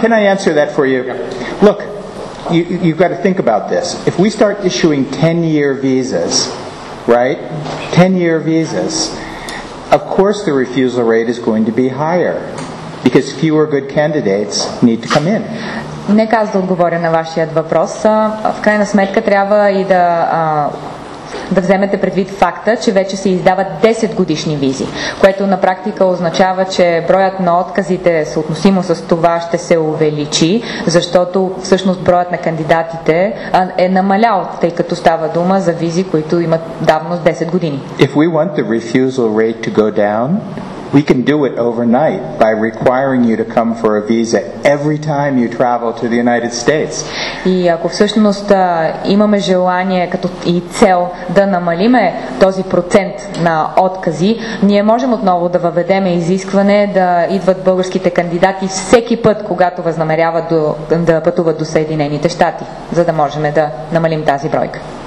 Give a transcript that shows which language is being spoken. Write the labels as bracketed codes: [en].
[en] Can I answer that for you? Yeah. Look, you've got to think about this. If we start issuing 10-year visas, right? 10-year visas, of course the refusal rate is going to be higher because fewer good candidates need to come in. [bg] Нека аз да отговоря на вашия въпрос. В крайна сметка трябва и да... да вземете предвид факта, че вече се издават 10 годишни визи, което на практика означава, че броят на отказите съотносимо с това ще се увеличи, защото всъщност броят на кандидатите е намалял, тъй като става дума за визи, които имат давност 10 години. [en] If we want the refusal rate to go down, we can do it overnight by requiring you to come for a visa every time you travel to the United States. [bg] И ако всъщност имаме желание като и цел да намалиме този процент на откази, ние можем отново да въведем изискване да идват българските кандидати всеки път, когато възнамеряват да пътуват до Съединените щати, за да можем да намалим тази бройка.